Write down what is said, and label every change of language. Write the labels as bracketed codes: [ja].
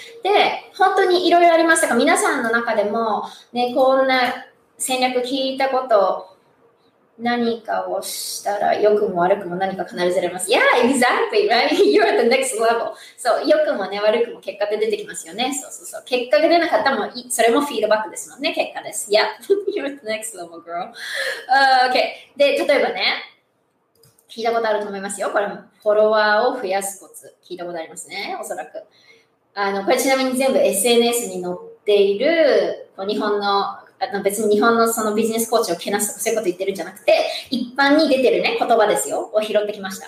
[ja] で、本当にいろいろありましたか？皆さんの中でも、ね、こんな戦略聞いたこと、何かをしたら良くも悪くも何か必ず出ます。 [en] Yeah, exactly, right? You're at the next level. [ja] そう、良くもね、悪くも結果で出てきますよね。そう。結果が出なかったも、それもフィードバックですもんね、結果です。 [en] Yeah, you're at the next level, girl.OK. [ja] で、例えばね、聞いたことあると思いますよ。これもフォロワーを増やすコツ聞いたことありますね、おそらく。これちなみに全部 SNS に載っている日本の、別に日本のそのビジネスコーチをけなすとかそういうこと言ってるんじゃなくて、一般に出てるね、言葉ですよ、を拾ってきました。